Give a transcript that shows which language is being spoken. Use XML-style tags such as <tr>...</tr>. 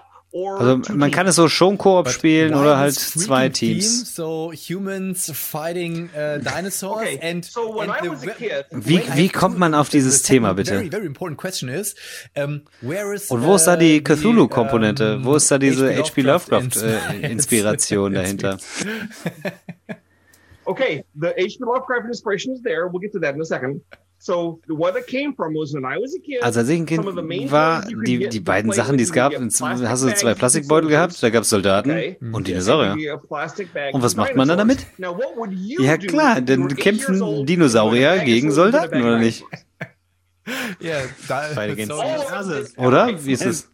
<de>Also man kann es so schon Koop spielen oder halt zwei Teams.</de> <en>So humans fighting dinosaurs. Okay. And, so when and I was a kid,</en> <de>wie kommt man auf dieses Thema bitte?</de> <en>Very important question is, where is</en> <de>und wo ist da die Cthulhu-Komponente? Wo ist da diese H.P. Lovecraft Inspiration dahinter?</de> <en>Okay, the H.P. Lovecraft inspiration is there. We'll get to that in a second. So, what it came from was when I was a kid.</en> <de>Also, als ich ein Kind war, die beiden Sachen, die es gab, hast du zwei Plastikbeutel gehabt, da gab es Soldaten und Dinosaurier. Und was macht man dann damit? Ja, klar, dann kämpfen Dinosaurier gegen Soldaten, oder nicht? Ja, beide gehen oder? Wie ist es?</de>